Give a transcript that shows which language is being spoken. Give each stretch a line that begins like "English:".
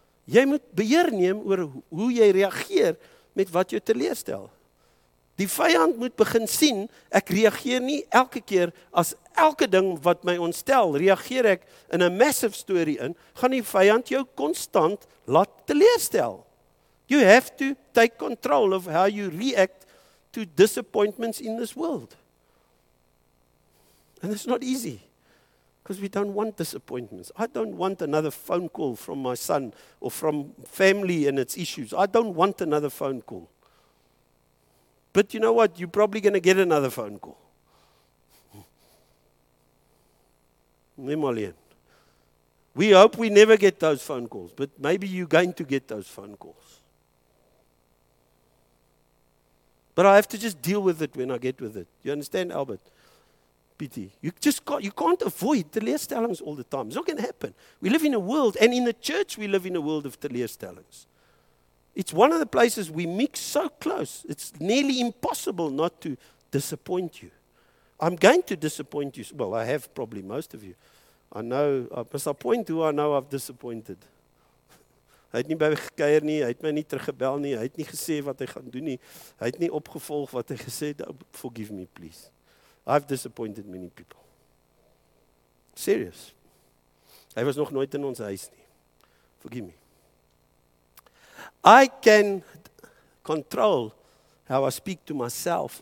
Afrikaans: Jy moet beheer neem oor hoe jy reageer met wat jou teleerstel. Die vyand moet begin sien, ek reageer nie elke keer as elke ding wat my ontstel, reageer ek in 'n massive story in, gaan die vyand jou constant laat teleerstel.
English: You have to take control of how you react to disappointments in this world. And it's not easy because we don't want disappointments. I don't want another phone call from my son or from family and its issues. I don't want another phone call. But you know what? You're probably going to get another phone call. Nemalian. We hope we never get those phone calls, but maybe you're going to get those phone calls. But I have to just deal with it when I get with it. You understand, Albert? You can't avoid teleerstellings all the time. It's not going to happen. We live in a world, and in the church, we live in a world of teleerstellings. It's one of the places we mix so close, it's nearly impossible not to disappoint you. I'm going to disappoint you. Well, I have probably most of you. I know, as I point to who I know I've disappointed.
Afrikaans: Hy het nie by my gekeer nie, hy het my nie teruggebel nie, hy het nie gesê wat hy gaan doen nie, hy het nie opgevolg wat hy gesê het,
English: forgive me please. I've disappointed many people. Serious.
Afrikaans: Hy was nog nooit in ons huis nie.
English: Forgive me. I can control how I speak to myself.